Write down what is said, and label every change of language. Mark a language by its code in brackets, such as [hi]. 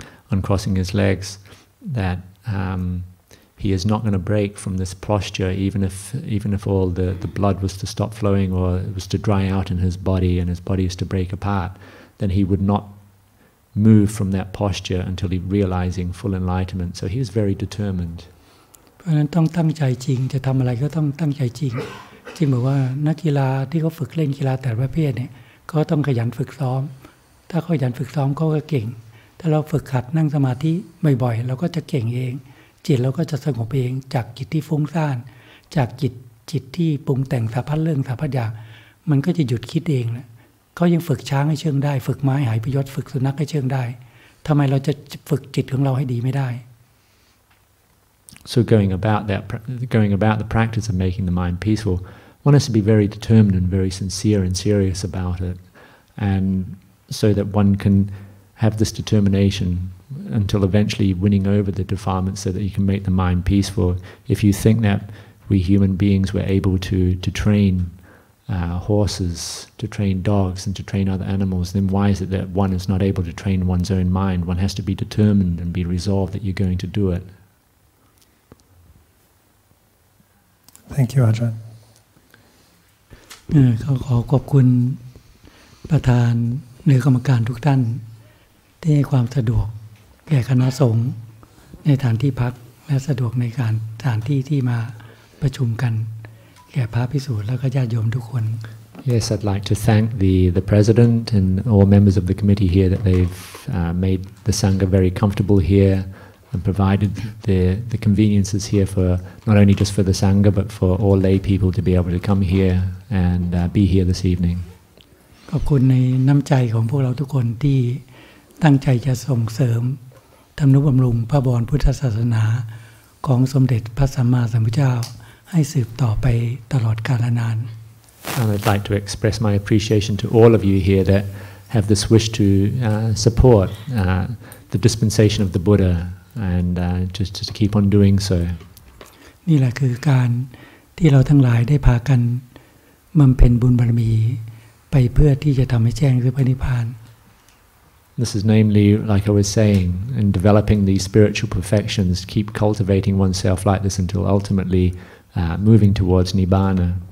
[en] on crossing his legs that he is not going to break from this posture even if all the blood was to stop flowing or it was to dry out in his body and his body is to break apart then he would not move from that posture until he realizing full enlightenment so he was very determined [th] เพราะฉะนั้นต้องตั้งใจจริงจะทำอะไรก็ต้องตั้งใจจริงจริงบอกว่านักกีฬาที่เขาฝึกเล่นกีฬาแต่ประเภทเนี่ยก็ต้องขยันฝึกซ้อมถ้าขยันฝึกซ้อมเขาก็เก่งถ้าเราฝึกขัดนั่งสมาธิบ่อยๆเราก็จะเก่งเองจิตเราก็จะสงบเองจากจิตที่ฟุ้งซ่านจากจิตที่ปรุงแต่งสารพัดเรื่องสารพัดอย่างมันก็จะหยุดคิดเองนะเขายังฝึกช้างให้เชื่องได้ฝึกไม้หายพยศฝึกสุนัขให้เชื่องได้ทำไมเราจะฝึกจิตของเราให้ดีไม่ได้ [en] So going about the practice of making the mind peaceful one has to be very determined and very sincere and serious about it and so that one can have this determinationUntil eventually winning over the defilements, so that you can make the mind peaceful. If you think that we human beings were able to train horses, to train dogs, and to train other animals, then why is it that one is not able to train one's own mind? One has to be determined and be resolved that you're going to do it. Thank you, Ajahn. [th] ขอขอบคุณประธานหรือกรรมการทุกท่านที่ให้ความสะดวกแก่คณะสงฆ์ในฐานที่พักและสะดวกในการสถานที่ที่มาประชุมกันแก่พระภิกษุและก็ญาติโยมทุกคน [en] Yes I'd like to thank the president and all members of the committee here that they've made the sangha very comfortable here and provided the conveniences here for not only just for the sangha but for all lay people to be able to come here and be here this evening [th] ขอบคุณในน้ำใจของพวกเราทุกคนที่ตั้งใจจะส่งเสริมทำนุบำรุงพระบรมพุทธศาสนาของสมเด็จพระสัมมาสัมพุทธเจ้าให้สืบต่อไปตลอดกาลนาน [en] And I'd like to express my appreciation to all of you here that have this wish to support the dispensation of the Buddha and just to keep on doing so [th] นี่แหละคือการที่เราทั้งหลายได้พากันบำเพ็ญบุญบารมีไปเพื่อที่จะทำให้แจ้งพระนิพพาน [en] This is namely, like I was saying, in developing these spiritual perfections, keep cultivating oneself like this until ultimately moving towards Nibbana.